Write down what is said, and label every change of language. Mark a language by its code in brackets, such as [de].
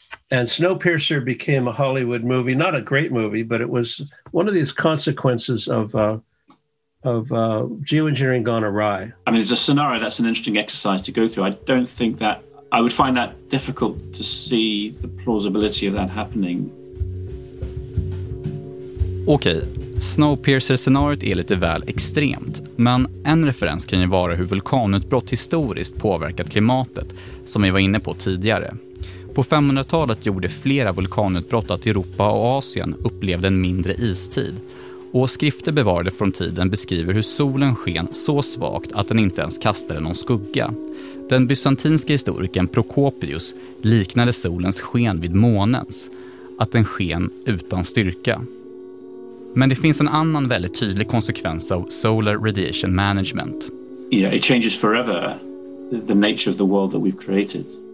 [en] And Snowpiercer became a Hollywood movie, not a great movie, but it was one of these consequences of geoengineering gone awry. I mean, it's a scenario that's an interesting exercise to go through. I don't think that I would find that difficult to see the plausibility of that happening. [sv] Okej, Snowpiercer-scenariot är lite väl extremt, men en referens kan ju vara hur vulkanutbrott historiskt påverkat klimatet, som vi var inne på tidigare. På 500-talet gjorde flera vulkanutbrott att Europa och Asien upplevde en mindre istid. Och skrifter bevarade från tiden beskriver hur solen sken så svagt att den inte ens kastade någon skugga. Den bysantinska historikern Procopius liknade solens sken vid månens, att den sken utan styrka. Men det finns en annan väldigt tydlig konsekvens av solar radiation management. [en] Yeah, it changes forever the nature of the world that we've created.